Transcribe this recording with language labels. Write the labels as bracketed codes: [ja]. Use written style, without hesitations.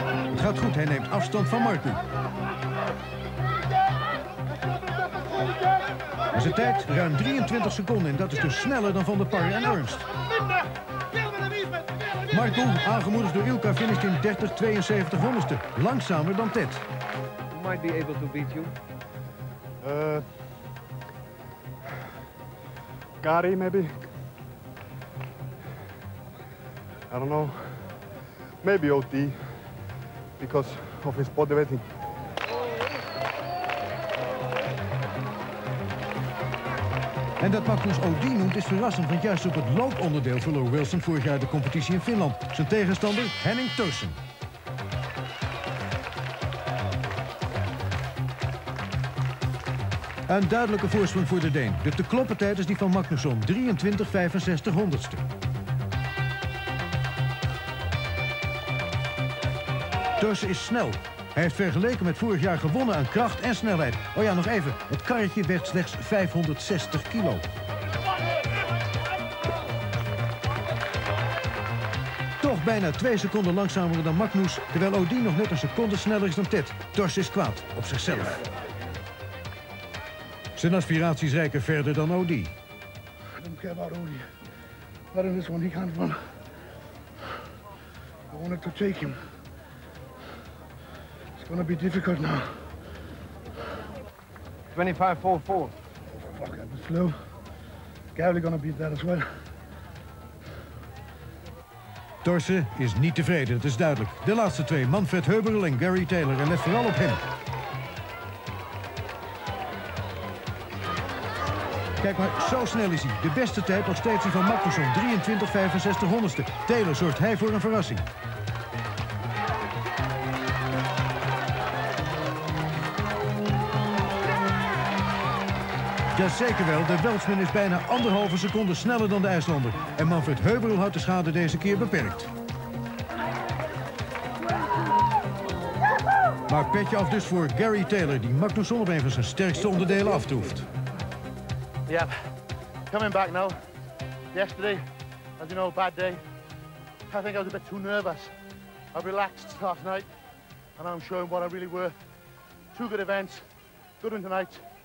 [nl] Het gaat goed, hij neemt afstand van Marku. De tijd ruim 23 seconden en dat is dus sneller dan Van der Par en Ernst. Marco, aangemoedigd door Ilka, finisht in 30-72 honderdste. Langzamer dan Ted. [en] We might be able to beat you. Gary, maybe. I don't know. Maybe OT. Because of his body weight. [nl] En dat Magnus Odie noemt is verrassend, want juist op het looponderdeel verloor Wilson vorig jaar de competitie in Finland. Zijn tegenstander Henning Thorsen. Een duidelijke voorsprong voor de Deen. De te kloppen tijd is die van Magnusson, 23-65 honderdste. Thorsen is snel. Hij heeft vergeleken met vorig jaar gewonnen aan kracht en snelheid. Oh ja, nog even. Het karretje weegt slechts 560 kilo. Toch bijna 2 seconden langzamer dan Magnus, terwijl Odin nog net 1 seconde sneller is dan Ted. Thors is kwaad op zichzelf. Zijn aspiraties reiken verder dan Odin. [en] I don't care about Odin. Not in this one, he can't run. I wanted to take him. It's gonna be difficult now. 25-4-4. Oh, fuck, that was slow. Gavley gonna beat that as well. [nl] Thorsen is niet tevreden, het is duidelijk. De laatste twee, Manfred Heuberl en Gary Taylor, en let vooral op hem. Kijk maar, zo snel is hij. De beste tijd nog steeds die van Magnusson, 23-65 honderdste. Taylor zorgt hij voor een verrassing. Jazeker wel, de Welsman is bijna 1,5 seconde sneller dan de IJslander. En Manfred Heuberl houdt de schade deze keer beperkt. Maar petje af dus voor Gary Taylor, die Magnusson op een van zijn sterkste onderdelen aftroeft. [en] Ja, yep. Coming back now. Yesterday, as you know, bad day. I think I was a bit too nervous. I relaxed last night. And I'm showing what I really worth. Two good events, good one tonight.